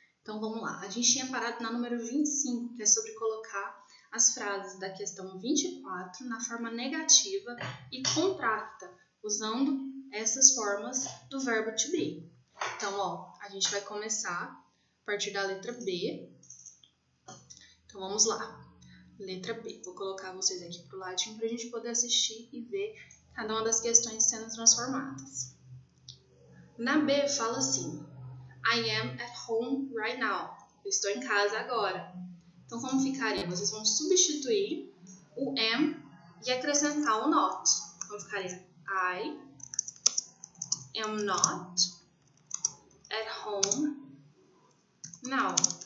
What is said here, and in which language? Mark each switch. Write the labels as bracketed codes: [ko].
[pt] Então vamos lá. A gente tinha parado na número 25, que é sobre colocar as frases da questão 24 na forma negativa e contracta, usando essas formas do verbo to be. Então, ó, a gente vai começar a partir da letra B. Então vamos lá. Letra B. Vou colocar vocês aqui pro ladinho para a gente poder assistir e ver cada uma das questões sendo transformadas. Na B fala assim: [en] I am at home right now. [pt] Eu estou em casa agora. Então, como ficaria? Vocês vão substituir o am e acrescentar o not. Então, ficaria: [en] I am not at home now.